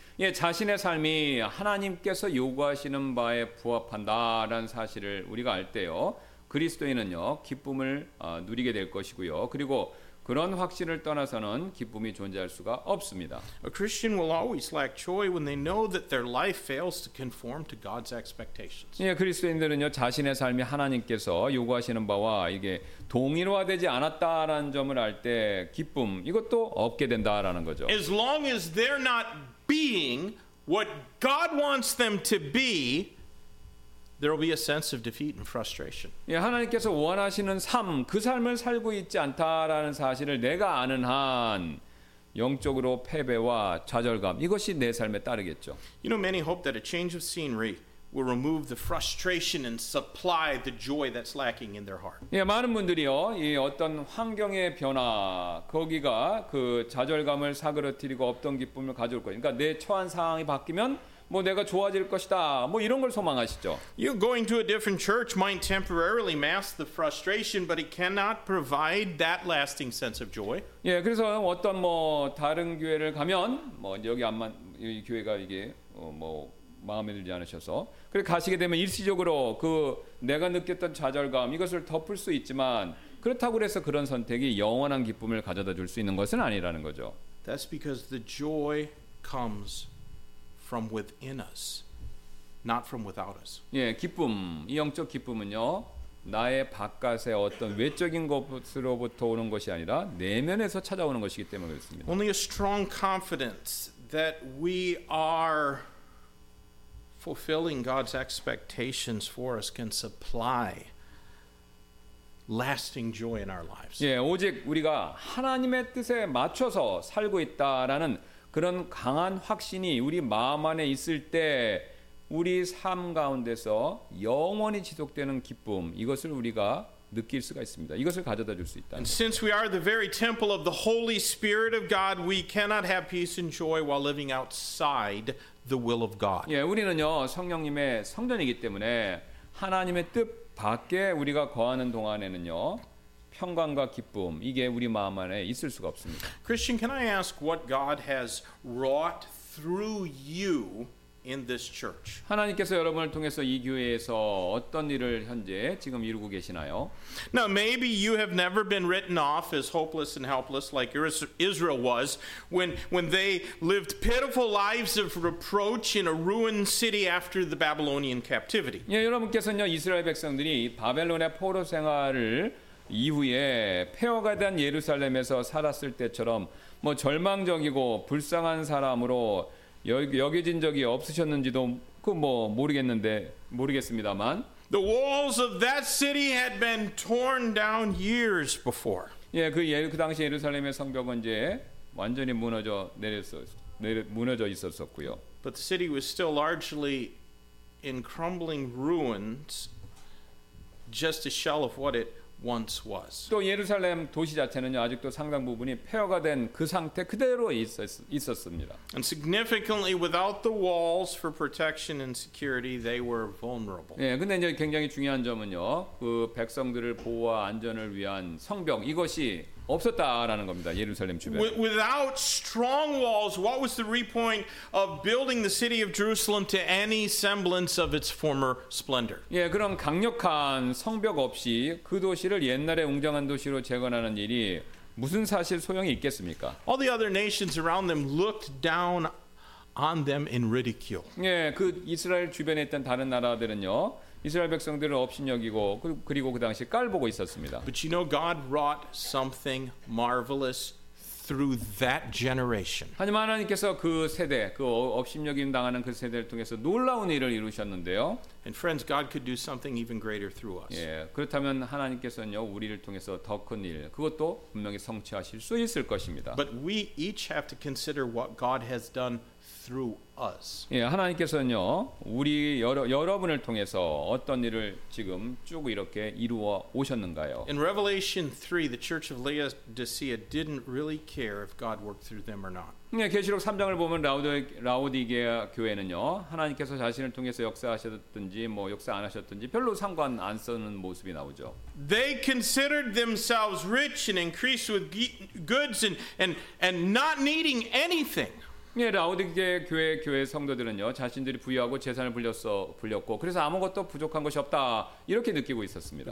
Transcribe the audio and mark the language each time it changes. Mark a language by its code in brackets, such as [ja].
[ko] 예, 자신의 삶이 하나님께서 요구하시는 바에 부합한다라는 사실을 우리가 알 때요, 그리스도인은요 기쁨을 누리게 될 것이고요. 그리고 그런 확신을 떠나서는 기쁨이 존재할 수가 없습니다. [en] A Christian will always lack joy when they know that their life fails to conform to God's expectations. [ko] 예, 그리스도인들은요 자신의 삶이 하나님께서 요구하시는 바와 이게 동일화되지 않았다라는 점을 알 때 기쁨 이것도 없게 된다라는 거죠. [en] As long as they're not being what God wants them to be, there will be a sense of defeat and frustration. [ko] 예, 하나님께서 원하시는 삶, 그 삶을 살고 있지 않다라는 사실을 내가 아는 한 영적으로 패배와 좌절감 이것이 내 삶에 따르겠죠. [en] You know, many hope that a change of scenery will remove the frustration and supply the joy that's lacking in their heart. [ko] 예, 많은 분들이요, 이 어떤 환경의 변화 거기가 그 좌절감을 사그러뜨리고 없던 기쁨을 가져올 거예요. 그러니까 내 처한 상황이 바뀌면 뭐 내가 좋아질 것이다. 뭐 이런 걸 소망하시죠. [en] You going to a different church might temporarily mask the frustration, but it cannot provide that lasting sense of joy. [ko] 예, 그래서 어떤 뭐 다른 교회를 가면 뭐 여기 안만 이 교회가 이게 뭐 마음에 들지 않으셔서 그래 가시게 되면 일시적으로 그 내가 느꼈던 좌절감 이것을 덮을 수 있지만 그렇다고 해서 그런 선택이 영원한 기쁨을 가져다 줄 수 있는 것은 아니라는 거죠. [en] That's because the joy comes from within us, not from without us. [ko] 예, 기쁨, 이 영적 기쁨은요 나의 바깥의 어떤 외적인 것으로부터 오는 것이 아니라 내면에서 찾아오는 것이기 때문에 그렇습니다. [en] Only a strong confidence that we are fulfilling God's expectations for us can supply lasting joy in our lives. [ko] 예, 오직 우리가 하나님의 뜻에 맞춰서 살고 있다라는 그런 강한 확신이 우리 마음 안에 있을 때 우리 삶 가운데서 영원히 지속되는 기쁨 이것을 우리가 느낄 수가 있습니다. 이것을 가져다 줄 수 있다. [en] And since we are the very temple of the Holy Spirit of God, we cannot have peace and joy while living outside the will of God. [ko] 예, 우리는요 성령님의 성전이기 때문에 하나님의 뜻 밖에 우리가 거하는 동안에는요 평강과 기쁨 이게 우리 마음 안에 있을 수가 없습니다. [en] Christian, can I ask what God has wrought through you in this church? [ko] 하나님께서 여러분을 통해서 이 교회에서 어떤 일을 현재 지금 이루고 계시나요? [en] Now, maybe you have never been written off as hopeless and helpless like Israel was when they lived pitiful lives of reproach in a ruined city after the Babylonian captivity. [ko] 예, 여러분께서는요 이스라엘 백성들이 바벨론의 포로 생활을 이후에 폐허가 된 예루살렘에서 살았을 때처럼 뭐 절망적이고 불쌍한 사람으로 여겨진 적이 없으셨는지도 그 뭐 모르겠습니다만 [en] The walls of that city had been torn down years before. [ko] 예, 그 당시 예루살렘의 성벽은 이제 완전히 무너져 있었었고요. [en] But the city was still largely in crumbling ruins, just a shell of what it once was. [ko] 또 예루살렘 도시 자체는요 아직도 상당 부분이 폐허가 된 그 상태 그대로 있었습니다. [en] And significantly, without the walls for protection and security, they were vulnerable. [ko] 예, 근데 이제 굉장히 중요한 점은요 그 백성들을 보호와 안전을 위한 성벽 이것이 없었다라는 겁니다. 예루살렘 주변. [en] Without strong walls, what was the repoint of building the city of Jerusalem to any semblance of its former splendor? [ko] 예, 그런 강력한 성벽 없이 그 도시를 옛날의 웅장한 도시로 재건하는 일이 무슨 사실 소용이 있겠습니까? [en] All the other nations around them looked down on them in ridicule. [ko] 예, 그 이스라엘 주변에 있던 다른 나라들은요. 이스라엘 백성들을 업신여기고 그리고 그 당시 깔보고 있었습니다. [en] But you know God wrought something marvelous through that generation. [ko] 하지만 하나님께서 그 세대, 그 업신여김 당하는 그 세대를 통해서 놀라운 일을 이루셨는데요. [en] And friends, God could do something even greater through us. [ko] 예, 그렇다면 하나님께서는요, 우리를 통해서 더 큰 일, 그것도 분명히 성취하실 수 있을 것입니다. [en] But we each have to consider what God has done through us. [ko] 예, 하나님께서는요, 우리 여러분을 통해서 어떤 일을 지금 쭉 이렇게 이루어 오셨는가요? [en] In Revelation 3, the church of Laodicea didn't really care if God worked through them or not. [ko] 예, 계시록 3장을 보면 라오디게아 교회는요, 하나님께서 자신을 통해서 역사하셨든지 뭐 역사 안 하셨든지 별로 상관 안 쓰는 모습이 나오죠. [en] They considered themselves rich and increased with goods and not needing anything. [ko] 예, 라오디게 교회 성도들은요 자신들이 부유하고 재산을 불렸고 그래서 아무것도 부족한 것이 없다 이렇게 느끼고 있었습니다.